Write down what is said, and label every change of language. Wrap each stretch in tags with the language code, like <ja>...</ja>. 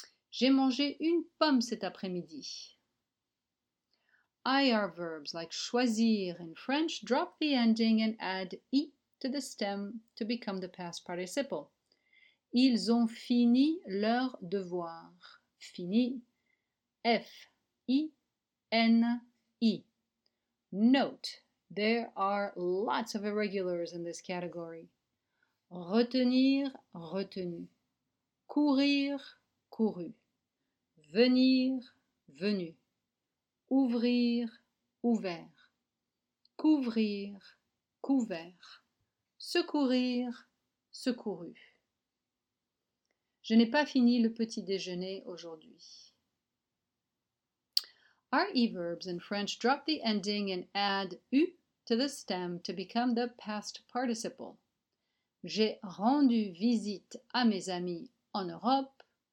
<fr>J'ai mangé une pomme cet après-midi.</fr> <en>IR verbs like choisir in French drop the ending and add I to the stem to become the past participle.</en> <fr>Ils ont fini leur devoir. Fini. F-I-N-I.</fr> <en>Note, there are lots of irregulars in this category.</en> <fr>Retenir, retenu. Courir, couru. Venir, venu. Ouvrir, ouvert. Couvrir, couvert. Secourir, secouru. Je n'ai pas fini le petit déjeuner aujourd'hui.</fr> <en>Our e-verbs in French drop the ending and add u to the stem to become the past participle.</en> <fr>J'ai rendu visite à mes amis en Europe.</fr>